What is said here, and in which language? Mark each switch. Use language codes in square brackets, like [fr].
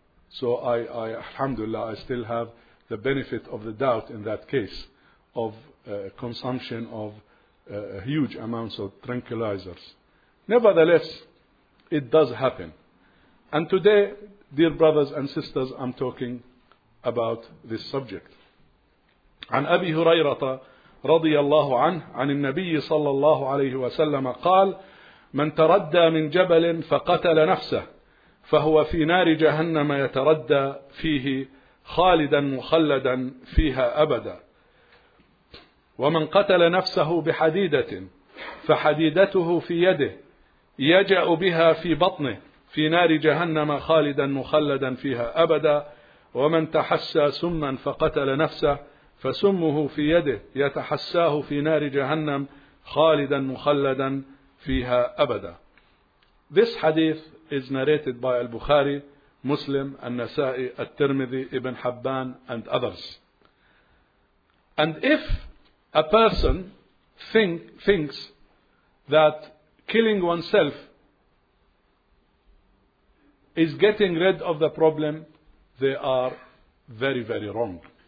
[en] So I, alhamdulillah, I still have the benefit of the doubt in that case of consumption of huge amounts of tranquilizers. Nevertheless, it does happen. And today, dear brothers and sisters, I'm talking about this subject. [ar] عن أبي هريرة رضي الله عنه عن النبي صلى الله عليه وسلم قال من تردى من جبل فقتل نفسه فهو في نار جهنم يتردى فيه خالدا مخلدا فيها أبدا ومن قتل نفسه بحديدة فحديدته في يده يجأ بها في بطنه في نار جهنم خالدا مخلدا فيها أبدا ومن تحسى سما فقتل نفسه فسمه في يده يتحساه في نار جهنم خالدا مخلدا فيها أبدا. [en] This hadith is narrated by Al-Bukhari, Muslim, An-Nasa'i, Al-Tirmidhi, Ibn Hibban and others. And if a person thinks that killing oneself is getting rid of the problem, they are very, very wrong.